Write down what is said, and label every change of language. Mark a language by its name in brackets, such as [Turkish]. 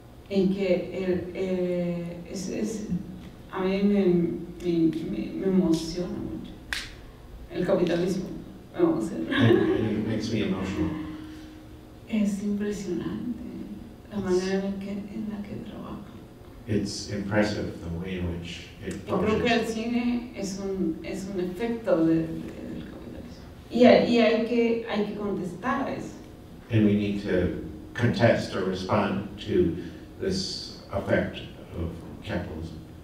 [Spanish] En que es a mí me emociona mucho el capitalismo. Vamos a [English] ver. It makes me emotional. [Spanish] Es impresionante la manera en la que trabaja. [English] It's impressive the way in which it functions. [Spanish] Y creo que el cine es un efecto del capitalismo. Y hay que contestar a eso. [English] And we need to contest or respond to this effect of capitalism.